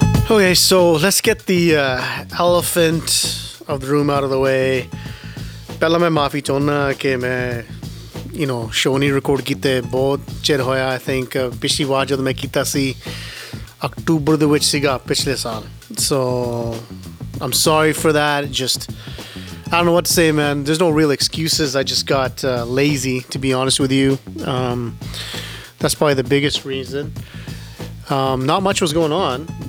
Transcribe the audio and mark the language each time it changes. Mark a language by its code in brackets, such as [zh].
[en] Okay, so let's get the elephant of the room out of the way. [pa] ਪਹਿਲਾ ਮੈਂ ਮਾਫ਼ੀ ਚਾਹੁੰਦਾ ਕੇ ਮੈਂ, [en] you know, [pa] show ਨਹੀਂ record ਕੀਤੇ ਬਹੁਤ ਚਿਰ ਹੋਇਆ. [en] I think [pa] ਪਿਛਲੀ ਵਾਰ ਜਦੋਂ ਮੈਂ ਕੀਤਾ ਸੀ October ਦੇ ਵਿੱਚ ਸੀਗਾ ਪਿਛਲੇ ਸਾਲ. [en] So I'm sorry for that. Just I don't know what to say, man. There's no real excuses. I just got lazy, to be honest with you. That's probably the biggest reason. Not much was going on.